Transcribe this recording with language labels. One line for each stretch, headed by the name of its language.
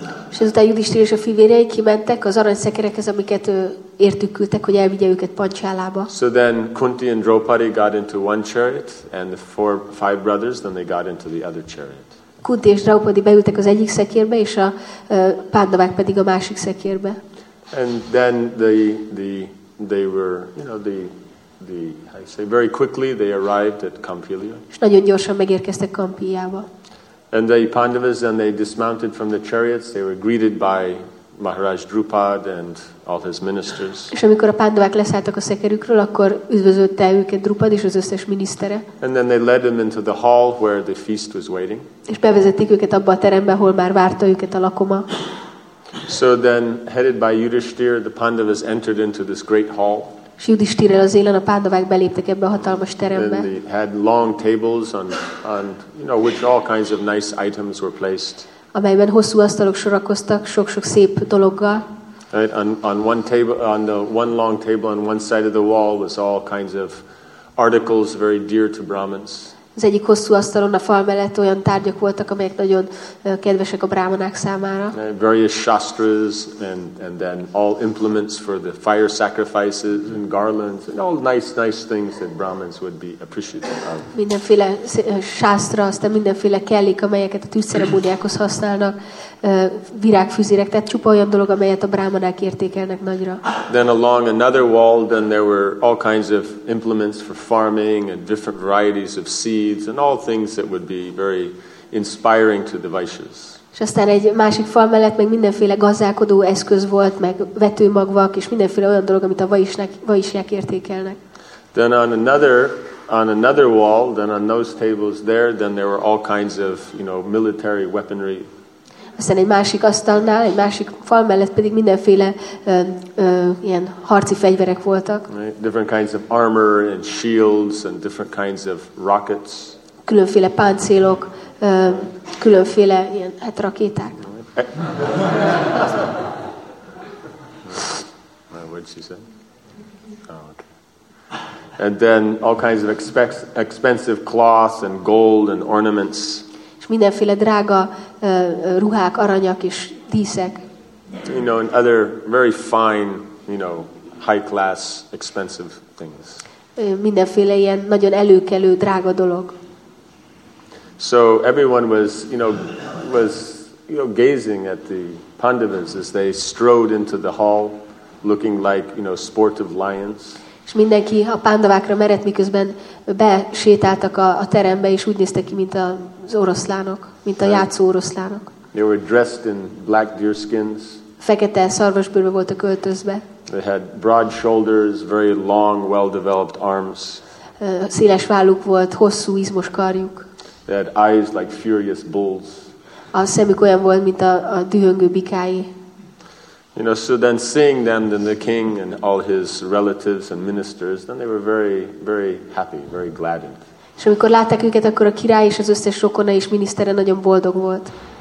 Hungarian: És ezután Yudhishthir és a fivérei kimentek az arany szekerekhez, amiket értük küldtek, hogy elvigye őket Panchalába.
English: So then Kunti and Draupadi got into one chariot, and the five brothers, then they got into the other chariot.
Hungarian: Kunti és Draupadi beültek az egyik szekérbe, és a Pandavák pedig a másik szekérbe.
English: And then they were, you know, I say very quickly they arrived at Kampilya.
Hungarian: És nagyon gyorsan megérkeztek Kampiljába.
English: And the Pandavas, and they dismounted from the chariots, they were greeted by Maharaj Drupad and all his ministers.
Hungarian: És amikor a Pandavák leszálltak a szekerükről, akkor üdvözölte őket Drupad és az összes minisztere.
English: And then they led them into the hall where the feast was waiting.
Hungarian: És bevezették őket abba a terembe, ahol már várta őket a lakoma.
English: So then, headed by Yudhishthir, the Pandavas entered into this great hall.
Hungarian: Yudhishthirrel az élen a Pandavák beléptek ebbe a hatalmas terembe.
English: And they had long tables on, you know, which all kinds of nice items were placed.
Hungarian: Amelyben hosszú asztalok sorakoztak, sok-sok szép dologgal.
English: Right, on one table, on the one long table on one side of the wall was all kinds of articles very dear to Brahmins.
Hungarian: Az egyik hosszú asztalon a fal mellett olyan tárgyak voltak, amelyek nagyon kedvesek a brámanák számára.
English: And various shastras and then all implements for the fire sacrifices and garlands and all nice things that Brahmins would be appreciative of.
Hungarian: Mindenféle shastra, aztán mindenféle kellék, amelyeket a tűzszeremóniákhoz használnak, virágfüzérek, tehát csupa olyan dolog, amelyet a brámanák értékelnek nagyra.
English: Then along another wall, then there were all kinds of implements for farming and different varieties of seeds. And all things that would be very inspiring to the Vaishyas.
Hungarian: És aztán egy másik fal mellett meg mindenféle gazdálkodó eszköz volt, meg vetőmagvak és mindenféle olyan dolog, amit a vaisják értékelnek.
English: Then on another wall, then on those tables there, then there were all kinds of, you know, military weaponry.
Hungarian: Aztán egy másik asztalnál, egy másik fal mellett pedig mindenféle ilyen harci fegyverek voltak.
English: Different kinds of armor and shields and different kinds of rockets.
Hungarian: Különféle páncélok, különféle ilyen hát rakéták.
English: What did she say? Oh, okay. And then all kinds of expensive cloth and gold and ornaments.
Hungarian: És mindenféle drága ruhák, aranyak és díszek.
English: You know, and other very fine, you know, high class, expensive things.
Hungarian: Mindenféle ilyen nagyon előkelő drága dolog.
English: So everyone was gazing at the Pandavas as they strode into the hall, looking like, you know, sportive lions.
Hungarian: És mindenki a pándavákra merett, miközben besétáltak a terembe, és úgy néztek ki, mint az oroszlánok, mint a játszó oroszlánok.
English: They were dressed in black deer skins.
Hungarian: Fekete szarvasbőrbe voltak öltözve.
English: They had broad shoulders, very long, well-developed arms.
Hungarian: Széles válluk volt, hosszú, izmos karjuk.
English: They had eyes like furious bulls.
Hungarian: A szemük olyan volt, mint a dühöngő bikái.
English: You know, so then seeing them, then the king and all his relatives and ministers, then they were very, very happy, very gladdened.
Hungarian: És amikor látták őket, akkor a király és az összes rokona és minisztere nagyon boldog volt.